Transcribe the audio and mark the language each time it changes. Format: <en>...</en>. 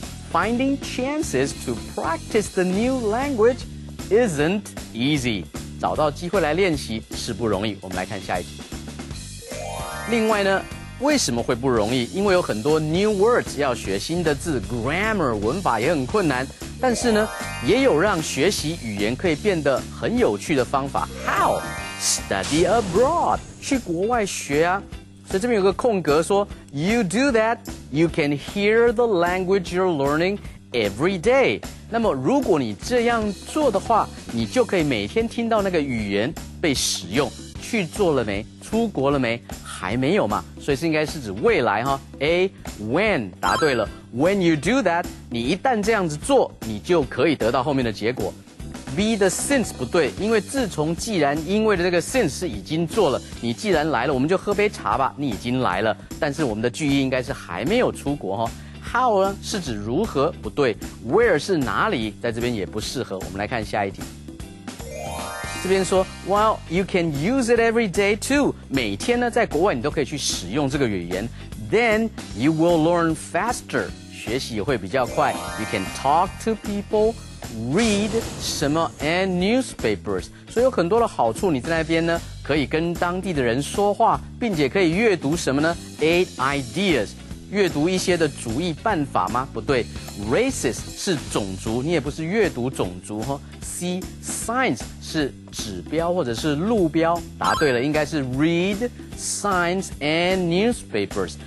<en>Finding chances to practice the new languageIsn't easy.</en> <zh>找到机会来练习是不容易。我们来看下一题。另外呢，为什么会不容易？因为有很多</zh> <en>new words</en> <zh>要学，新的字 grammar 文法也很困难。但是呢，也有让学习语言可以变得很有趣的方法。</zh> <en>How? Study abroad.</en> <zh>去国外学啊。所以这边有个空格说</zh> <en>，You do that, you can hear the language you're learning every day.</en> <zh>那么如果你这样做的话，你就可以每天听到那个语言被使用。去做了没？出国了没？还没有嘛，所以是应该是指未来哈。 A, when, 答对了。</zh> <en>When you do that,</en> <zh>你一旦这样子做，你就可以得到后面的结果。 B, the since 不对，因为自从既然因为的这个 since 是已经做了，你既然来了，我们就喝杯茶吧，你已经来了。但是我们的句意应该是还没有出国哈。 How 呢是指如何不对 ，Where 是哪里，在这边也不适合。我们来看下一题。这边说</zh> <en>，Well, you can use it every day too.</en> <zh>每天呢，在国外你都可以去使用这个语言。</zh> <en>Then you will learn faster.</en> <zh>学习也会比较快。</zh> <en>You can talk to people, read 什么 and newspapers.</en> <zh>所以有很多的好处，你在那边呢可以跟当地的人说话，并且可以阅读什么呢 ？8 ideas. 阅读一些的主义办法吗？不对 ，races 是种族，你也不是阅读种族哈。 C signs 是指标或者是路标，答对了，应该是</zh> <en>read signs and newspapers。</en>